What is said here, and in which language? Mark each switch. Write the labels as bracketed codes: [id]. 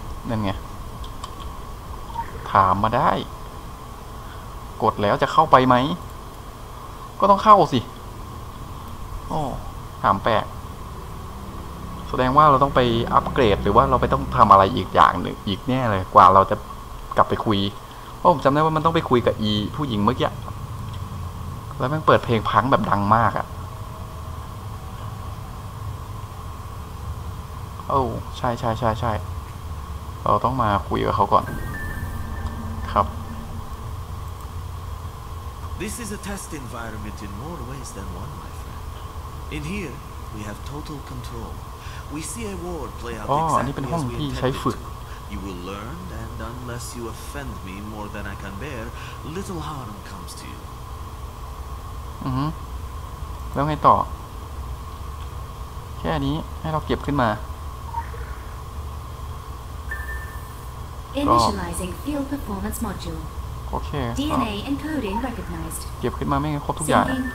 [th] นั่นไงถามมาได้กดแล้วจะเข้าไปไหมก็ต้องเข้าสิโอ้ถามแปลกแสดงว่าเราต้องไปอัปเกรดหรือว่าเราไปต้องทำอะไรอีกอย่างหนึ่งอีกแน่เลยกว่าเราจะกลับไปคุยเพราะผมจำได้ว่ามันต้องไปคุยกับอีผู้หญิงเมื่อกี้ แล้วมันเปิดเพลงพังแบบดังมากอ่ะโอ้ใช่เราต้องมาคุยกับเขาก่อนครับ [en] This is a test environment in more ways than one, my friend. In here, we have total control. We see a ward play out exactly as we intended. You will learn, and unless you offend me more than I can bear, little harm comes to you. [th] แล้วไงต่อแค่นี้ให้เราเก็บขึ้นมา [en] Initializing field performance module. Okay. DNA encoding recognized. [th] เก็บขึ้นมาไม่งั้นครบทุกอย่าง